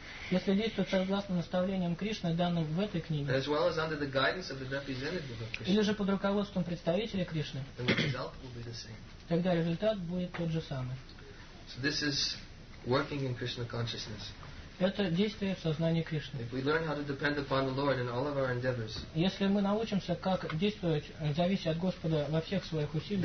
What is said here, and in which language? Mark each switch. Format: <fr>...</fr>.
<ru>Если действовать согласно наставлениям Кришны, данным в этой книге,</ru> <en>as well as under the guidance of the representative of Krishna,</en> <ru>или же под руководством представителя Кришны,</ru> <en>then the result will be the same.</en> <ru>Тогда результат будет тот же самый.</ru> <en>So this is working in Krishna consciousness.</en> <ru>Это действие в сознании Кришны.</ru> <en>If we learn how to depend upon the Lord in all of our endeavors,</en> <ru>если мы научимся, как действовать, зависеть от Господа во всех своих усилиях,</ru>